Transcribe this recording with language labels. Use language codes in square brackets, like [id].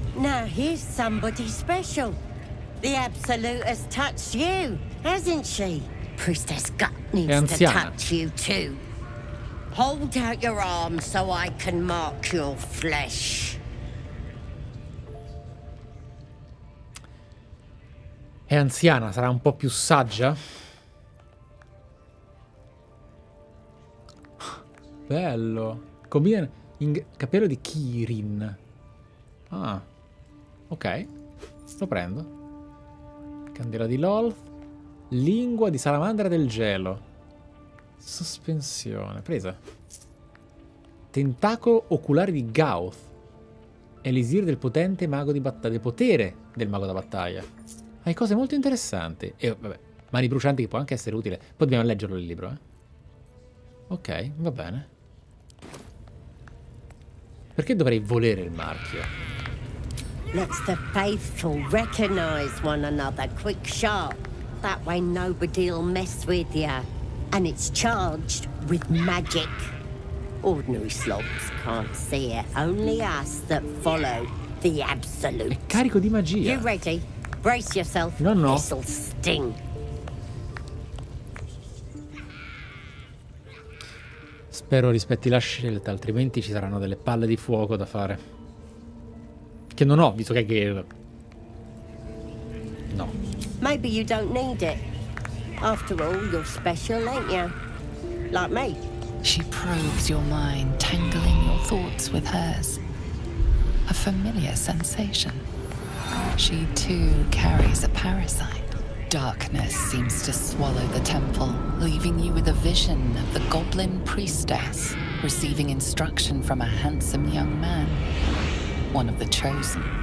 [en] Now here's somebody special. The absolute has touched you, hasn't she? Priestess Gut needs to touch you too. Hold out your arm so I can mark your flesh. [it] È anziana, sarà un po' più saggia. Bello. Combina in capello di Kirin. Ah. Ok. Lo prendo. Candela di Lolth. Lingua di salamandra del gelo. Sospensione. Presa. Tentacolo oculare di Gaoth. Elisir del potente mago di battaglia. Del potere del mago da battaglia. Hai cose molto interessanti. E vabbè, mani brucianti che può anche essere utile. Poi dobbiamo leggerlo il libro, eh. Ok, va bene. Perché dovrei volere il marchio? [en] Let the faithful recognize one another quick sharp. That way nobody'll mess with you. And it's charged with magic. Ordinary slobs can't see it. Only us that follow the absolute. [it] È carico di magia. [en] You ready? Brace yourself. No, no. This'll sting. [it] Spero rispetti la scelta, altrimenti ci saranno delle palle di fuoco da fare. Che non ho, visto che è Gale. [en] No. Maybe you don't need it. After all, you're special, ain't you? Like me. She probes your mind, tangling your thoughts with hers. A familiar sensation. She too carries a parasite. Darkness seems to swallow the temple, leaving you with a vision of the goblin priestess receiving instruction from a handsome young man, one of the chosen.